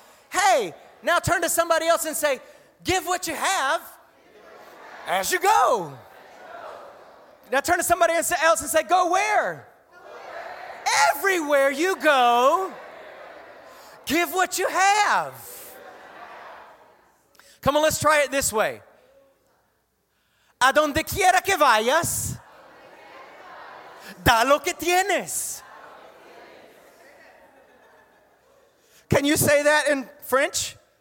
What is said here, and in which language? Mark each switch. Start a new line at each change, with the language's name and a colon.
English: Hey, now turn to somebody else and say, give what you have as you go. Now turn to somebody else and say, go where? Everywhere you go, give what you have. Come on, let's try it this way.
Spanish: A donde quiera que vayas, da lo que tienes.
English: Can you say that in French?